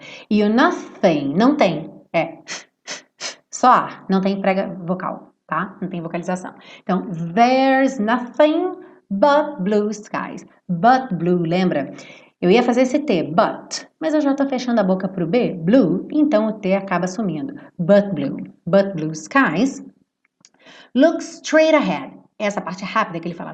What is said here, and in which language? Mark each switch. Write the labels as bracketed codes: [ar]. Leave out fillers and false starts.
[pt] E o nothing, não tem. É só A, não tem prega vocal, tá? Não tem vocalização. [en] Então, there's nothing but blue skies. [pt] But blue, lembra? Eu ia fazer esse T, but, mas eu já tô fechando a boca pro B, blue, então o T acaba sumindo. [en] But blue skies. Look straight ahead. [pt] Essa parte rápida que ele fala.